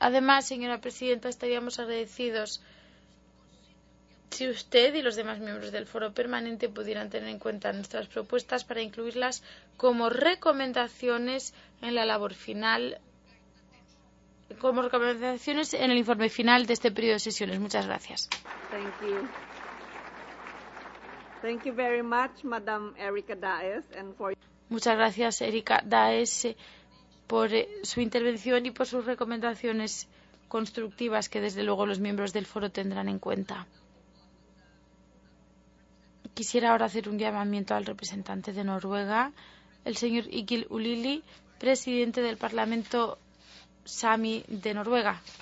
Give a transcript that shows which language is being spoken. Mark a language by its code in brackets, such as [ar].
[es] Además, señora presidenta, estaríamos agradecidos si usted y los demás miembros del Foro Permanente pudieran tener en cuenta nuestras propuestas para incluirlas como recomendaciones en la labor final, como recomendaciones en el informe final de este periodo de sesiones. Muchas gracias. [en] Thank you. Thank you very much, Madam Erika Daes, and for... [es] Muchas gracias, Erika Daes, por su intervención y por sus recomendaciones constructivas que, desde luego, los miembros del foro tendrán en cuenta. Quisiera ahora hacer un llamamiento al representante de Noruega, el señor Ikil Ulili, presidente del Parlamento Sami de Noruega.